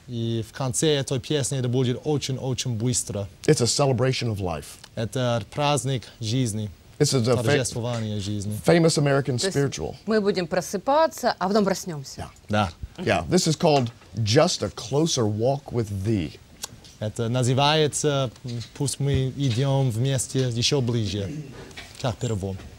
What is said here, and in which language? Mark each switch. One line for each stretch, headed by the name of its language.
Russian: И в конце этой песни это будет очень-очень быстро.
English: It's a celebration of life.
Russian: Это праздник жизни.
English: It's a famous American spiritual.
Russian: Мы будем просыпаться, а потом проснемся.
English: Yeah.
Russian: Да.
English: Yeah. This is called Just a Closer Walk with Thee.
Russian: Это называется «Пусть мы идем вместе еще ближе», как перво.